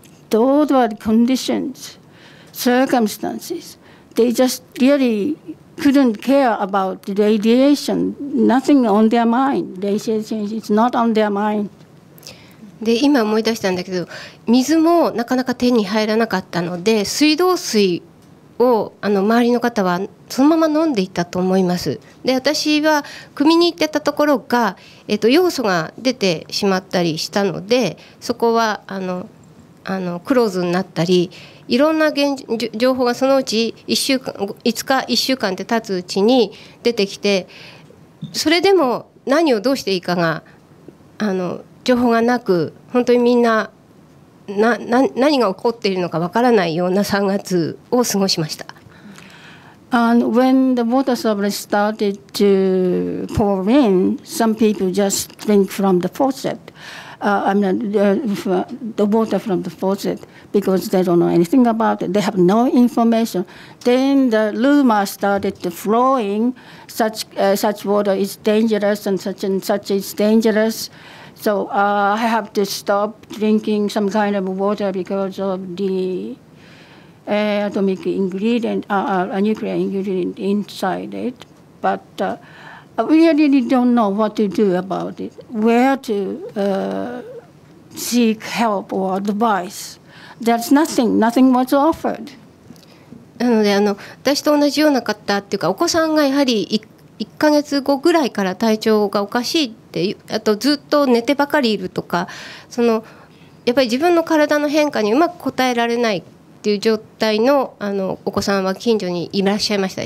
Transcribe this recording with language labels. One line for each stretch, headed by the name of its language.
English: Those were the conditions, circumstances. They just really couldn't care about the radiation. Nothing on their mind. Radiation is not on their mind.
Japanese: で今思い出したんだけど水もなかなか手に入らなかったので水道水を周りの方はそのまま飲んでいたと思います。で私は汲みに行ってたところが、要素が出てしまったりしたのでそこはクローズになったりいろんな情報がそのうち5日1週間で経つうちに出てきてそれでも何をどうしていいかが情報がなく本当にみんな何が起こっているのかわからないような3月を過ごしました。
English: And when the water supply started to pour in, some people just drink from the faucet. The water from the faucet because they don't know anything about it. They have no information. Then the rumor started to flowing. Such water is dangerous and such is dangerous. So I have to stop drinking some kind of water because of the atomic ingredient, a nuclear ingredient inside it. But we really don't know what to do about it, where to seek help or advice. There's nothing was offered.
Japanese: なので私と同じような方っていうかお子さんがやはり1ヶ月後ぐらいから体調がおかしいあとずっと寝てばかりいるとかそのやっぱり自分の体の変化にうまく応えられないという状態 の、 あのお子さんは近所にいらっしゃいました。